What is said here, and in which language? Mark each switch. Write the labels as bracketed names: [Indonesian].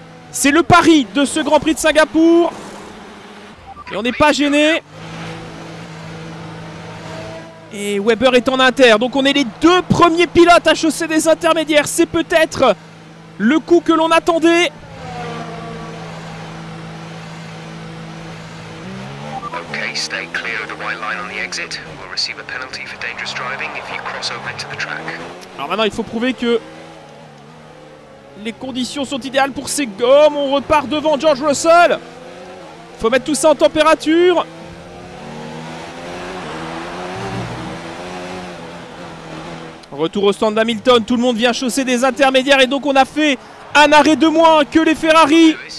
[French] C'est le pari de ce Grand Prix de Singapour. Et on n'est pas gêné. Et Weber est en inter. Donc on est les deux premiers pilotes à chausser des intermédiaires. C'est peut-être le coup que l'on attendait. [English] Okay, stay clear of the white line on the exit. We'll receive a penalty for dangerous driving if you cross over to the track. [French] Alors maintenant, il faut prouver que les conditions sont idéales pour ces gommes. On repart devant George Russell. Il faut mettre tout ça en température. Retour au stand d'Hamilton. Tout le monde vient chausser des intermédiaires. Et donc, on a fait un arrêt de moins que les Ferrari.